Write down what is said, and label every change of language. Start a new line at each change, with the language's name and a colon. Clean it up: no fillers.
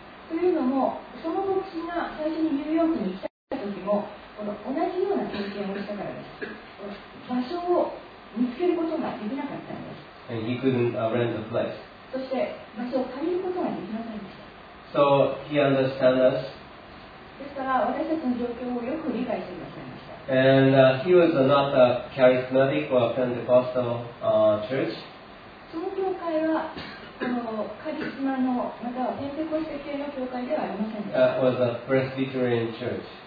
Japanese: というのも、その牧師が最初にニューヨークに来た時も、この同じような経験をしたからです。場所を見つけることができなかったんです。
English: And he couldn't rent a place.
Japanese: そして場所を借りることができませんでした。
English: So he understood us.
Japanese: ですから私たちの状況をよく理解していました。
English: And he was not a charismatic or Pentecostal church.
Japanese: その教会はこのカリスマのまたはペンテコステ系の教会ではありませんでした。
English: That was a Presbyterian church.